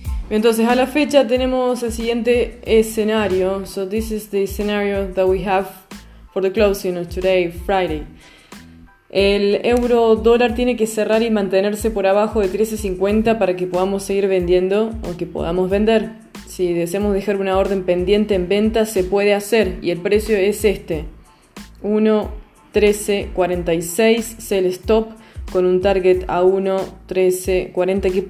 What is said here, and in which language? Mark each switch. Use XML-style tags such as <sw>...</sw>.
<es>Entonces, a la fecha tenemos el siguiente escenario.</es> <en>So this is the scenario that we have for the closing of today, Friday.</en> <es>El euro dólar tiene que cerrar y mantenerse por abajo de 13.50 para que podamos seguir vendiendo o que podamos vender. Si deseamos dejar una orden pendiente en venta, se puede hacer y el precio es este: 1.1346, sell stop con un target a 1.1340.</es>